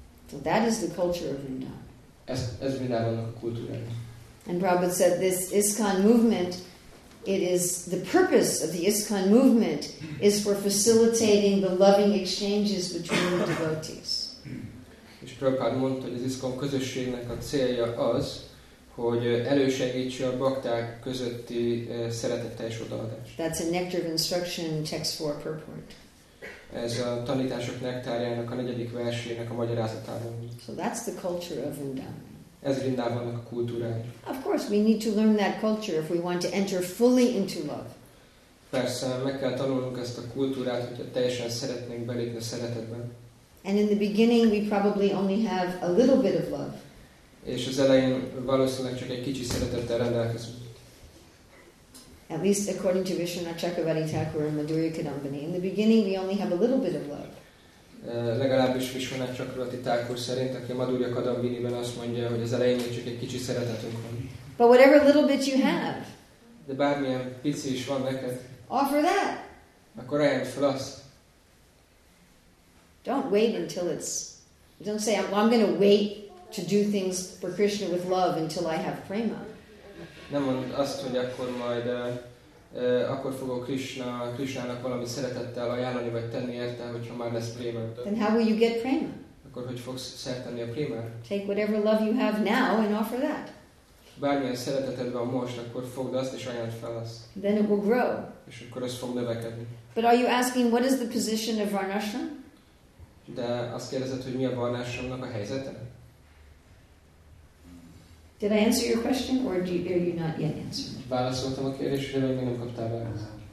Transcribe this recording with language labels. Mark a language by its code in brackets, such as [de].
[en] So that is the culture of Vrindavan. [hu] Ez Vrindavannak a kultúrája. [en] And Prabhupada said this ISKCON movement, it is the purpose of the ISKCON movement is for facilitating the loving exchanges between the devotees. [hu] És Prabhupada mondta, hogy az ISKCON közösségnek a célja az, hogy elősegítse a bakták közötti szeretetteljes odaadást. [en] That's a nectar of instruction text 4 purport. [hu] Ez a tanítások nektárjának a negyedik versének a magyarázatában. [en] So that's the culture of Vrindavan. [hu] Ez Vrindavannak a kultúrája. [en] Of course, we need to learn that culture if we want to enter fully into love. [hu] Persze, meg kell tanulnunk ezt a kultúrát, hogyha teljesen szeretnénk belépni a szeretetben. [en] And in the beginning, we probably only have a little bit of love. [hu] És az elején valószínűleg csak egy kicsi szeretettel rendelkezünk. [en] At least according to Vishwanath Chakravarti Thakur and Madhurya Kadambini, in the beginning we only have a little bit of love. [hu] Legalábbis Vishwanath Chakravarti Thakur szerint, aki Madhurya Kadambiniben azt mondja, hogy az elején csak egy kicsi szeretetünk van. [en] But whatever little bit you have, [hu] de bármilyen pici is van neked, [en] offer that. [hu] Akkor ajánlj fel azt. [en] Don't wait until it's... Don't say, I'm going to wait to do things for Krishna with love until I have prema. [hu] Nem mond azt, hogy akkor majd akkor fogok Krishnának valami szeretettel ajánlani vagy tenni érte, hogyha már lesz prémát. [en] Then how will you get prema? [hu] Akkor hogy fogsz szertenni a prémát? [en] Take whatever love you have now and offer that. [hu] Bármilyen szeretetet van most, akkor fogd azt és ajánld fel azt. [en] Then it will grow. [hu] És akkor ez fog növekedni. [en] But are you asking what is the position of varnashram? [hu] De azt kérdezed, hogy mi a varnashramnak a helyzete? [en] Did I answer your question, or are you not yet answered? [hu] Válaszoltam a kérdésre, még nem kaptál választ.